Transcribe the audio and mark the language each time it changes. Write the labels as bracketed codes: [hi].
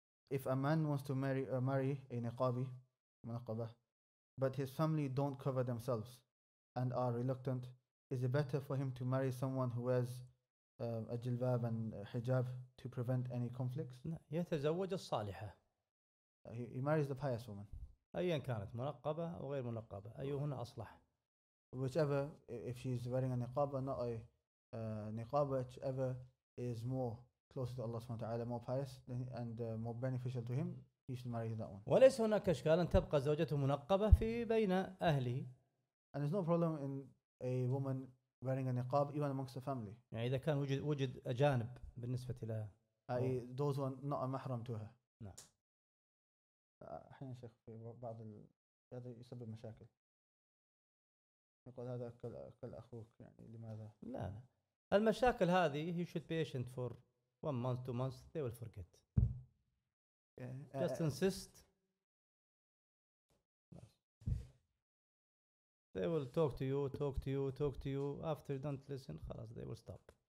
[en] If a man wants to marry a niqabi, but his family don't cover themselves and are reluctant, is it better for him to marry someone who wears a jilbab and hijab to prevent any conflicts? [ar] يتزوج الصالحة. [en] He marries the pious woman. [ar] أيا كانت منقبة أو غير منقبة أيهن أصلح. [en] Whichever, if she's wearing a niqab or not a niqab, whichever is more closer to Allah SWT, more pious and more beneficial to him, he should marry that one. [ar] وليس هناك إشكال أن تبقى زوجته منقبة في بين أهله. [en] And there's no problem in a woman wearing a niqab even amongst the family. [ar] يعني إذا كان وجد أجانب بالنسبة لها. [en] I those who are not a mahram to her. [ar] نعم. أحيانا شيخ في بعض هذا يسبب مشاكل. يقول هذا كل أخوك يعني لماذا؟ لا لا. المشاكل هذه [en] he should be patient for one month two months they will forget. Just insist. They will talk to you. After you don't listen, خلاص they will stop.